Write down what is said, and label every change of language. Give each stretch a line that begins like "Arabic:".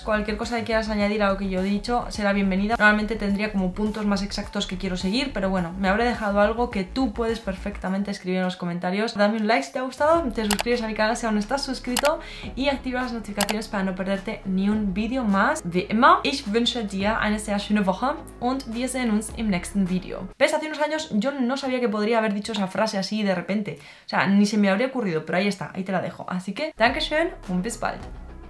Spanish: Cualquier cosa que quieras añadir a lo que yo he dicho será bienvenida. Normalmente tendría como puntos más exactos que quiero seguir, pero bueno, me habré dejado algo que tú puedes perfectamente escribir en los comentarios. Dame un like si te ha gustado, te suscribes a mi canal si aún no estás suscrito, y activa las notificaciones para no perderte ni un vídeo más.
German: Wie immer, ich wünsche dir eine sehr schöne Woche und wir sehen uns im nächsten Video.
Spanish: ¿Ves? Hace unos años yo no sabía que podría haber dicho esa frase así de repente. O sea, ni se me habría ocurrido, pero ahí está, ahí te la dejo. Así que
German: Dankeschön und bis bald.